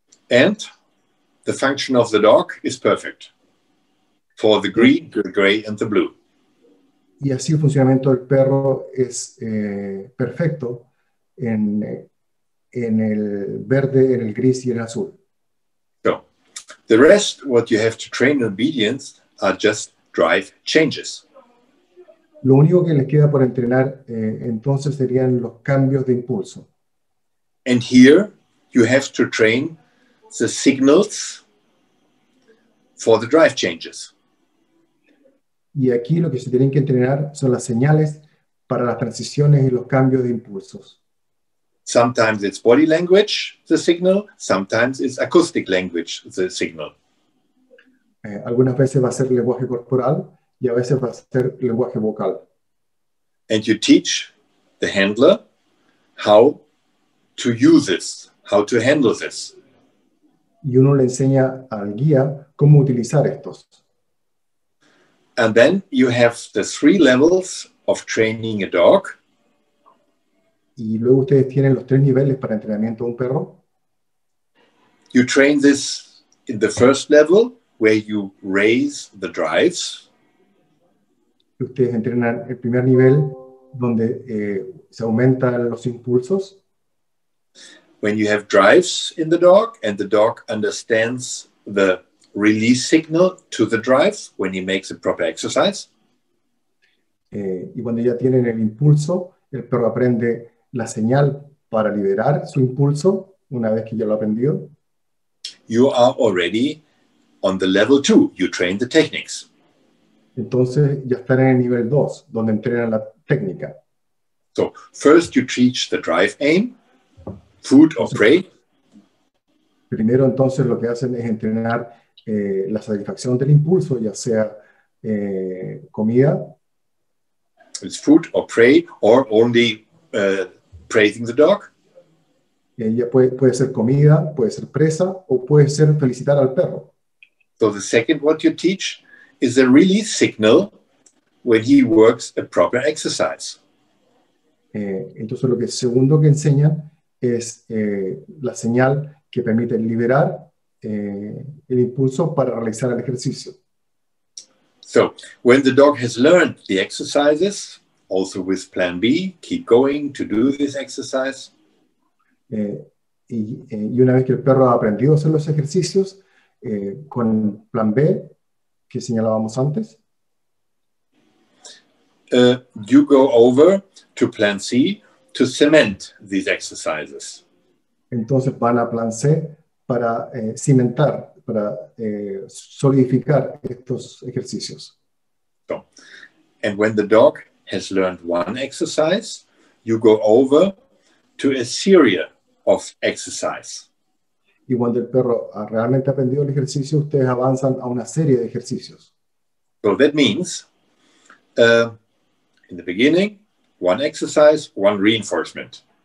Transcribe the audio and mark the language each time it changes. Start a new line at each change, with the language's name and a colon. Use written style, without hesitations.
English: And the function of the dog is perfect for the green, the gray, and the blue.
Spanish: Y así el funcionamiento del perro es perfecto en el verde, en el gris y en el azul.
English: So, the rest, what you have to train in obedience, are just drive changes.
Spanish: Lo único que les queda por entrenar entonces serían los cambios de impulso.
English: And here, you have to train the signals for the drive changes.
Spanish: Y aquí lo que se tienen que entrenar son las señales para las transiciones y los cambios de impulsos.
English: Sometimes it's body language, the signal. Sometimes it's acoustic language, the signal.
Spanish: Algunas veces va a ser lenguaje corporal y a veces va a ser lenguaje vocal.
English: And you teach the handler how to use this, how to handle this.
Spanish: Y uno le enseña al guía cómo utilizar estos.
English: And then you have the three levels of training a dog.
Spanish: Y luego ustedes tienen los tres niveles para entrenamiento de un perro.
English: You train this in the first level where you raise the drives.
Spanish: Ustedes entrenan el primer nivel donde se aumentan los impulsos.
English: When you have drives in the dog and the dog understands the release signal to the drive when he makes a proper exercise.
Spanish: Y cuando ya tienen el impulso, el perro aprende la señal para liberar su impulso una vez que ya lo ha aprendido.
English: You are already on the level 2. You train the techniques.
Spanish: Entonces ya están en el nivel 2, donde entrenan la técnica.
English: So, first you teach the drive aim. Food or prey.
Spanish: Primero, entonces, lo que hacen es entrenar la satisfacción del impulso, ya sea comida.
English: It's food or prey, or only praising the dog.
Spanish: Ya puede ser comida, puede ser presa, o puede ser felicitar al perro.
English: So the second what you teach is a release signal when he works a proper exercise.
Spanish: Entonces, lo que segundo que enseñan es la señal que permite liberar el impulso para realizar el ejercicio.
English: So, when the dog has learned the exercises, also with plan B, keep going to do this exercise.
Spanish: Y una vez que el perro ha aprendido a hacer los ejercicios, con plan B, que señalábamos antes,
English: you go over to plan C to cement these exercises.
Spanish: Entonces van a plan C para cimentar, para solidificar estos ejercicios.
English: So, and when the dog has learned one exercise, you go over to a series of exercises.
Spanish: Y cuando el perro ha realmente aprendido el ejercicio, ustedes avanzan a una serie de ejercicios.
English: So that means, in the beginning, one exercise, one reinforcement.